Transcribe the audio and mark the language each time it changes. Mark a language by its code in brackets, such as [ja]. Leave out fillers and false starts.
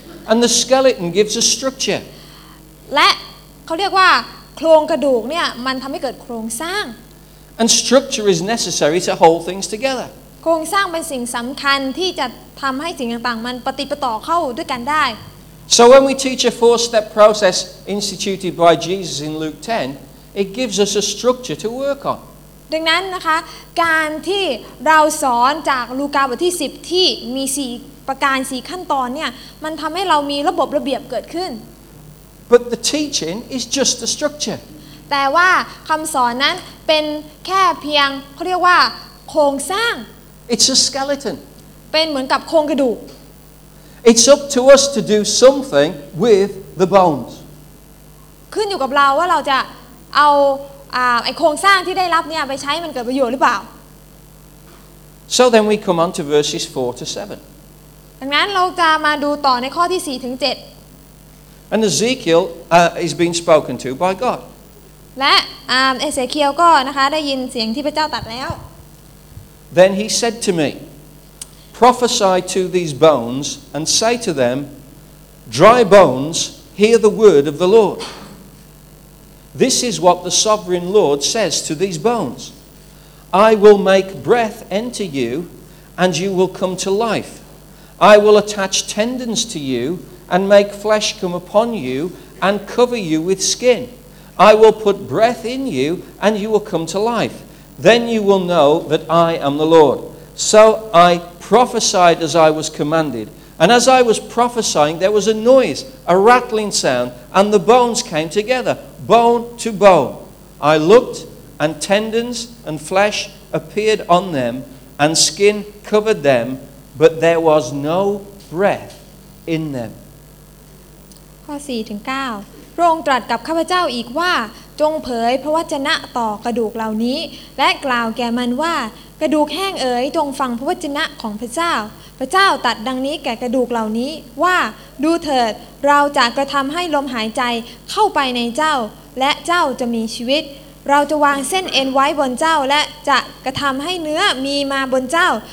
[en] And the skeleton gives a structure [th] และเขาเรียกว่าโครงกระดูกเนี่ยมันทำให้เกิดโครงสร้าง [en] And structure is necessary to hold things together [th] โครงสร้างเป็นสิ่งสำคัญที่จะทำให้สิ่งต่างๆมันปฏิปต่อเข้าด้วยกันได้ [en] So when we teach a four-step process instituted by Jesus in Luke 10 it gives us a structure to work on [th] ดังนั้นนะคะการที่เราสอนจากลูกาบทที่10ที่มี4ประการ4ขั้นตอนเนี่ยมันทำให้เรามีระบบระเบียบเกิดขึ้น [en] But the teaching is just the structure [th] แต่ว่าคำสอนนั้นเป็นแค่เพียงเขาเรียกว่าโครงสร้าง [en] It's a skeleton [th] เป็นเหมือนกับโครงกระดูก [en] It's up to us to do something with the bones [th] ขึ้นอยู่กับเราว่าเราจะเอาไอ้โครงสร้างที่ได้รับเนี่ยไปใช้มันเกิดประโยชน์หรือเปล่า [en] So then we come on to verses 4 to 7. [th] ดังนั้นเราจะมาดูต่อในข้อที่4ถึง7. [en] And Ezekiel is being spoken to by God. [th] และเอเซเคียลก็นะคะได้ยินเสียงที่พระเจ้าตรัสแล้ว [en] Then he said to me, "Prophesy to these bones and say to them, 'Dry bones, hear the word of the Lord.'" This is what the Sovereign Lord says to these bones. I will make breath enter you, and you will come to life. I will attach tendons to you, and make flesh come upon you, and cover you with skin. I will put breath in you, and you will come to life. Then you will know that I am the Lord. So I prophesied as I was commanded. And as I was prophesying, there was a noise, a rattling sound, and the bones came together. Bone to bone, I looked, and tendons and flesh appeared on them, and skin covered them, but there was no breath in them. [th] ข้อ 4 ถึง 9 พระองค์ตรัสกับข้าพเจ้าอีกว่าจงเผยพระวจนะต่อกระดูกเหล่านี้และกล่าวแก่มันว่ากระดูกแห้งเอ๋ยจงฟังพระวจนะของพระเจ้าพระเจ้าตรัสดังนี้แก่กระดูกเหล่านี้ว่าดูเถิดเราจะกระทำให้ลมหายใจเข้าไปในเจ้าและเจ้าจะมีชีวิตเราจะวางเส้นเอ็นไว้บนเจ้าและจะกระทำให้เนื้อมีมาบนเจ้า